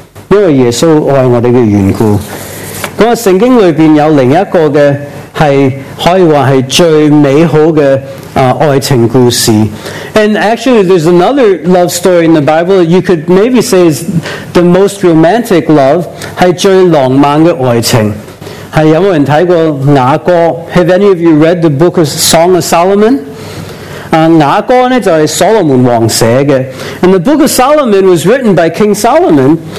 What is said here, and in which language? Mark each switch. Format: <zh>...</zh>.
<zh>因为耶稣爱我们的缘故，那圣经里面有另一个的，是可以说是最美好的爱情故事。</zh> <en>And actually, there's another love story in the Bible that you could maybe say is the most romantic love,</en> <zh>是最浪漫的爱情。</zh> <en>Have any of you read the book of Song of Solomon?</en> <zh>雅歌就是所罗门王写的。</zh> <en>And the book of Solomon was written by King Solomon.</en>